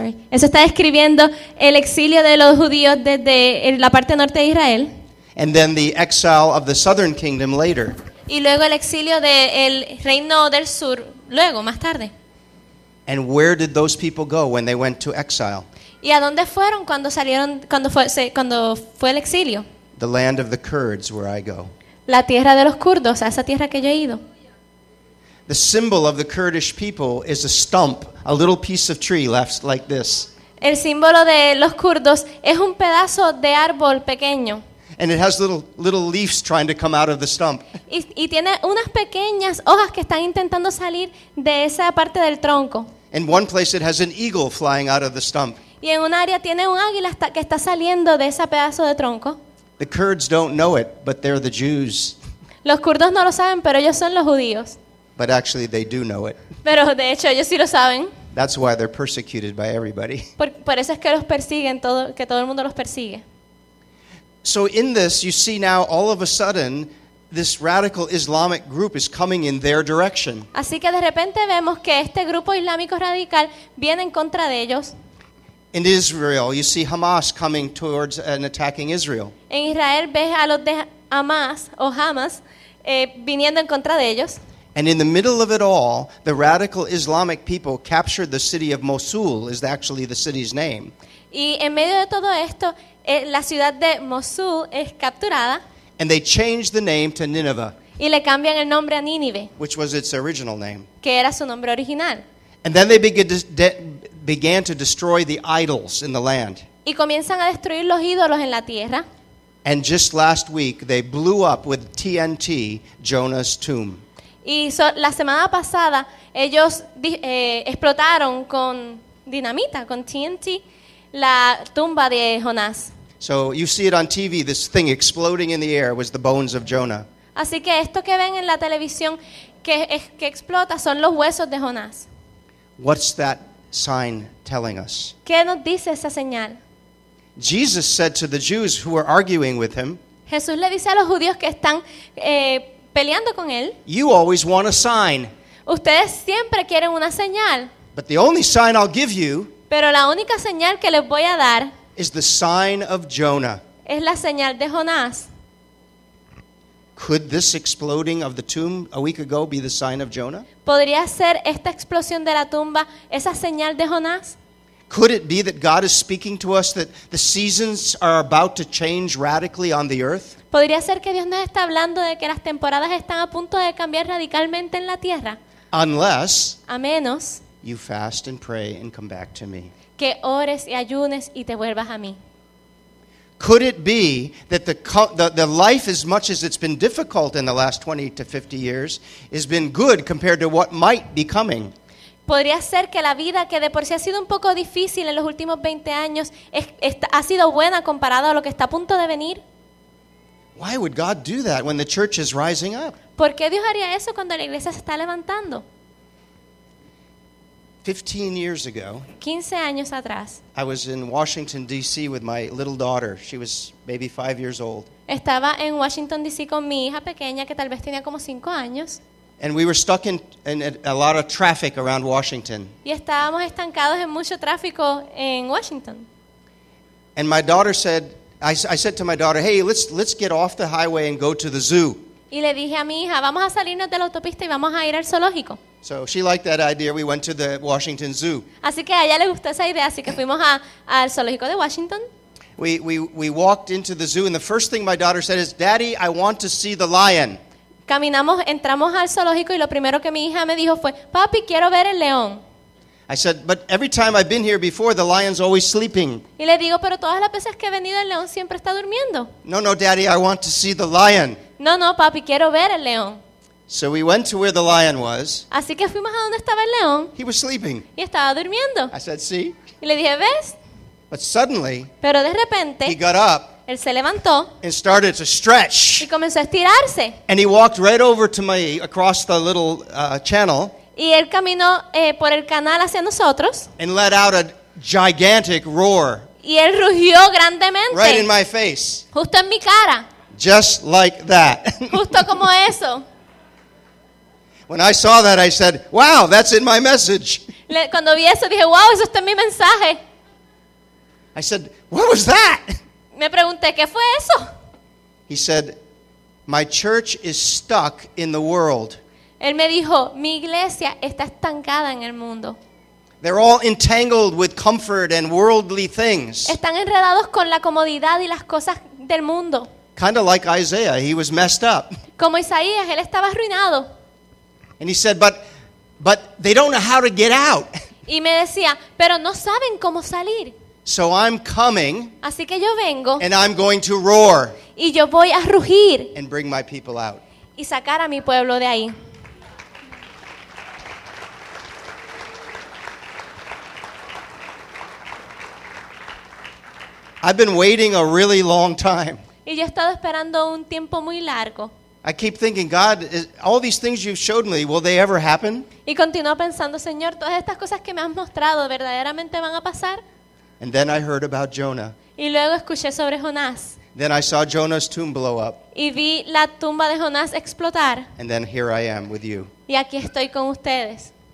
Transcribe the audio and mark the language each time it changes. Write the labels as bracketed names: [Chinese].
[Spanish] Eso está describiendo el exilio de los judíos desde la parte norte de Israel. [English] And then the exile of the southern kingdom later. [Spanish] Y luego el exilio del reino del sur, luego, más tarde. [English] And where did those people go when they went to exile? [Spanish] ¿Y a dónde fueron cuando fue el exilio? [English] The land of the Kurds, where I go. [Spanish] La tierra de los kurdos, a esa tierra que yo he ido. [English] The symbol of the Kurdish people is a stump, a little piece of tree left like this. [Spanish] El símbolo de los kurdos es un pedazo de árbol pequeño. [English] And it has little leaves trying to come out of the stump. [Spanish] Y tiene unas pequeñas hojas que están intentando salir de esa parte del tronco. [English] In one place it has an eagle flying out of the stump. [Spanish] Y en un área tiene un águila que está saliendo de ese pedazo de tronco. [English] The Kurds don't know it, but they're the Jews. [Spanish] Los kurdos no lo saben, pero ellos son los judíos. [English] But actually they do know it. [Spanish] Pero de hecho ellos sí lo saben. [English] That's why they're persecuted by everybody. [Spanish] Por eso es que los persiguen todo, que todo el mundo los persigue. [English] So in this, you see now, all of a sudden, this radical Islamic group is coming in their direction. [Spanish] Así que de repente vemos que este grupo islámico radical viene en contra de ellos. [English] In Israel, you see Hamas coming towards and attacking Israel. [Spanish] En Israel ves a los de Hamas, o Hamas, viniendo en contra de ellos. [English] And in the middle of it all, the radical Islamic people captured the city of Mosul, is actually the city's name. [Spanish] Y en medio de todo esto, la ciudad de Mosul es capturada. [English] And they changed the name to Nineveh. [Spanish] Y le cambian el nombre a Nínive. [English] Which was its original name. [Spanish] Que era su nombre original. [English] And then they began to destroy the idols in the land. [Spanish] Y comienzan a destruir los ídolos en la tierra. [English] And just last week, they blew up with TNT Jonah's tomb. [Spanish] Y la semana pasada, ellos explotaron con dinamita, con TNT, la tumba de Jonás. [English] So you see it on TV, this thing exploding in the air was the bones of Jonah. [Spanish] Así que esto que ven en la televisión que explota son los huesos de Jonás. [English] What's that sign telling us? [Spanish] ¿Qué nos dice esa señal? [English] Jesus said to the Jews who were arguing with him. [Spanish] Jesús le dice a los judíos que están peleando con él. [English] You always want a sign. [Spanish] Ustedes siempre quieren una señal. [English] But the only sign I'll give you. [Spanish] Pero la única señal que les voy a dar [English] is the sign of Jonah. [Spanish] Es la señal de Jonás. [English] Could this exploding of the tomb a week ago be the sign of Jonah? [Spanish] ¿Podría ser esta explosión de la tumba esa señal de Jonás? [English] Could it be that God is speaking to us that the seasons are about to change radically on the earth? [Spanish] ¿Podría ser que Dios nos está hablando de que las temporadas están a punto de cambiar radicalmente en la tierra? [English] Unless, [Spanish] a menos, [English] you fast and pray and come back to me. [Spanish] Que ores y ayunes y te vuelvas a mí. [English] Could it be that the life, as much as it's been difficult in the last 20 to 50 years, has been good compared to what might be coming? [Spanish] Podría ser que la vida, que de por sí ha sido un poco difícil en los últimos 20 años, ha sido buena comparado a lo que está a punto de venir. [English] Why would God do that when the church is rising up? [Spanish] ¿Por qué Dios haría eso cuando la iglesia se está levantando? [English] 15 years ago, [Spanish] 15 años atrás, [English] I was in Washington, D.C. with my little daughter. She was maybe 5 years old. [Spanish] Estaba en Washington, D.C. con mi hija pequeña, que tal vez tenía como 5 años. [English] And we were stuck in a lot of traffic around Washington. [Spanish] Y estábamos estancados en mucho tráfico en Washington. [English] And my daughter said, I said to my daughter, hey, let's get off the highway and go to the zoo. [Spanish] Y le dije a mi hija, vamos a salirnos de la autopista y vamos a ir al zoológico. [English] So she liked that idea. We went to the Washington Zoo. [Spanish] Así que a ella le gustó esa idea, así que fuimos al zoológico de Washington. [English] We walked into the zoo, and the first thing my daughter said is, Daddy, I want to see the lion. [Spanish] Caminamos, entramos al zoológico, y lo primero que mi hija me dijo fue, Papi, quiero ver el león. [English] I said, but every time I've been here before, the lion's always sleeping. [Spanish] Y le digo, pero todas las veces que he venido, el león siempre está durmiendo. [English] No, no, Daddy, I want to see the lion. [Spanish] No, Papi, quiero ver el león. [English] So we went to where the lion was. [Spanish] Así que fuimos a donde estaba el león. [English] He was sleeping. [Spanish] Y estaba durmiendo. [English] I said, see? [Spanish] Y le dije, ¿ves? [English] But suddenly, [Spanish] pero de repente, [English] he got up. [Spanish] Él se levantó. [English] And started to stretch. [Spanish] Y comenzó a estirarse. [English] And he walked right over to me across the little channel. [Spanish] Y él caminó por el canal hacia nosotros. [English] And let out a gigantic roar. [Spanish] Y él rugió grandemente. [English] Right in my face. [Spanish] Justo en mi cara. [English] Just like that. [Spanish] Justo como eso. [English] When I saw that, I said, wow, that's in my message. [Spanish] Cuando vi eso, dije, wow, eso está en mi mensaje. [English] I said, what was that? [Spanish] Me pregunté, ¿qué fue eso? [English] He said, my church is stuck in the world. [Spanish] Él me dijo, mi iglesia está estancada en el mundo. [English] They're all entangled with comfort and worldly things. [Spanish] Están enredados con la comodidad y las cosas del mundo. [English] Kind of like Isaiah, he was messed up. [Spanish] Como Isaías, él estaba arruinado. [English] And he said, but they don't know how to get out. [Spanish] Y me decía, pero no saben cómo salir. [English] So I'm coming. [Spanish] Así que yo vengo. [English] And I'm going to roar. [Spanish] Y yo voy a rugir. [English] And bring my people out. [Spanish] Y sacar a mi pueblo de ahí. [English] I've been waiting a really long time. [Spanish] Y yo he estado esperando un tiempo muy largo. [English] I keep thinking, God, all these things you've showed me, will they ever happen? [Spanish] Y continuó pensando, Señor, todas estas cosas que me has mostrado, ¿verdaderamente van a pasar? [English] And then I heard about Jonah. [Spanish] Y luego escuché sobre Jonás. [English] Then I saw Jonah's tomb blow up. [Spanish] Y vi la tumba de Jonás explotar. [English] And then here I am with you. [Spanish] Y aquí estoy con ustedes.